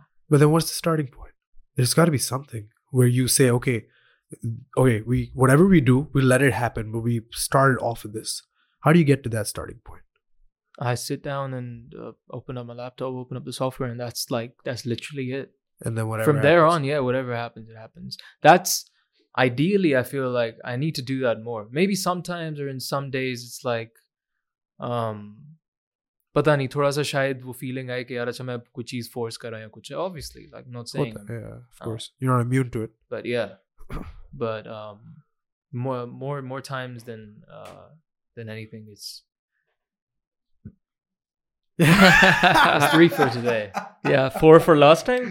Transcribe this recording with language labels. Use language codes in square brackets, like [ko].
[en] But then what's the starting point? There's got to be something where you say, okay, we whatever we do, we let it happen, but we started off with this. How do you get to that starting point? I sit down and open up my laptop, open up the software, and that's literally it. And then whatever from happens. There on, yeah, whatever happens, it happens. That's ideally, I feel like I need to do that more. Maybe sometimes or in some days, it's like, [hi] पता नहीं, थोड़ा सा शायद वो feeling आए कि यार अच्छा मैं कोई चीज़ force कर रहा हु कुछ. [en] Obviously, like not saying. Yeah, of course. You're not immune to it. But yeah. But more times than anything, it's that's three for today. Yeah, four for last time.